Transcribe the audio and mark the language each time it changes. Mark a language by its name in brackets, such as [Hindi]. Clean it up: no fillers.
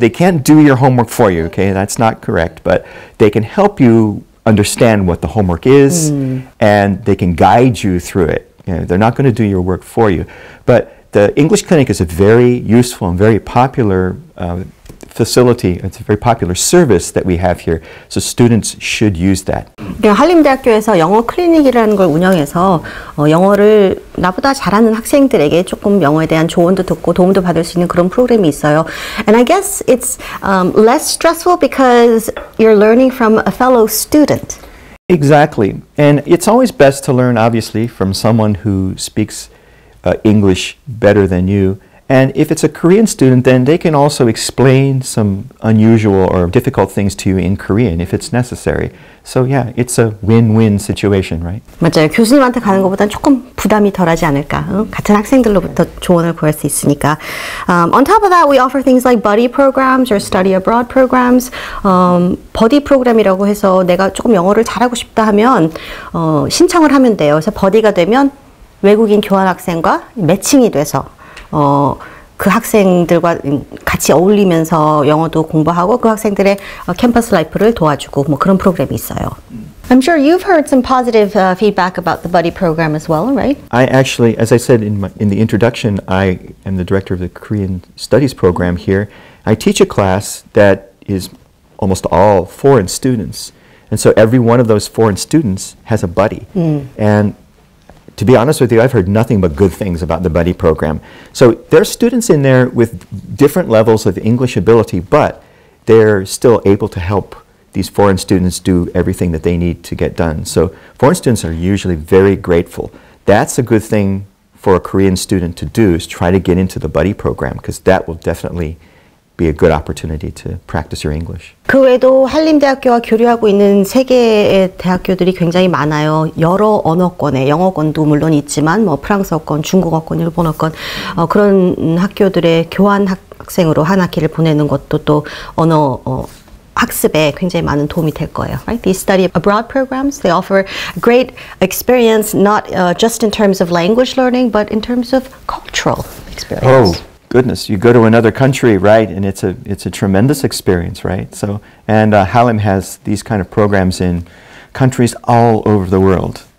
[English] They can't do your homework for you, okay? That's not correct. But they can help you understand what the homework is and they can guide you through it. You know, they're not going to do your work for you. But the English Clinic is a very useful and very popular facility. It's a very popular service that we have here. So students should use that. [Korean] 한림대학교에서 영어 클리닉이라는 걸 운영해서 영어를 나보다 잘하는 학생들에게 조금 영어에 대한 조언도 듣고 도움도 받을 수 있는 그런 프로그램이 있어요. [English] And I guess it's less stressful because you're learning from a fellow student. Exactly. And it's always best to learn, obviously, from someone who speaks English better than you. And if it's a Korean student, then they can also explain some unusual or difficult things to you in Korean if it's necessary. So yeah, it's a win-win situation, right? [Korean] 맞아요. 교수님한테 가는 것보단 조금 부담이 덜하지 않을까. 응? 같은 학생들로부터 조언을 구할 수 있으니까. [English] On top of that, we offer things like buddy programs or study abroad programs. [Korean] Buddy 프로그램이라고 해서 내가 조금 영어를 잘하고 싶다 하면 신청을 하면 돼요. 그래서 buddy가 되면 외국인 교환 학생과 매칭이 돼서 그 학생들과 같이 어울리면서 영어도 공부하고 그 학생들의 캠퍼스 라이프를 도와주고 뭐 그런 프로그램이 있어요. [English] I'm sure you've heard some positive feedback about the buddy program as well, right? I actually, as I said in the introduction, I am the director of the Korean Studies program here. I teach a class that is almost all foreign students. And so every one of those foreign students has a buddy. And to be honest with you, I've heard nothing but good things about the buddy program. So there are students in there with different levels of English ability, but they're still able to help these foreign students do everything that they need to get done. So foreign students are usually very grateful. That's a good thing for a Korean student to do, is try to get into the buddy program, because that will definitely be a good opportunity to practice your English. [Korean] 그 외에도 한림대학교와 교류하고 있는 세계의 대학교들이 굉장히 많아요. 여러 언어권에 영어권도 물론 있지만 뭐 프랑스어권, 중국어권, 일본어권 그런 학교들의 교환 학생으로 한 학기를 보내는 것도 또 언어 학습에 굉장히 많은 도움이 될 거예요. [English] Right? These study abroad programs, they offer great experience not just in terms of language learning but in terms of cultural experience. Oh. Goodness, you go to another country, right? And it's a tremendous experience, right? So, and Halim has these kind of programs in countries all over the world.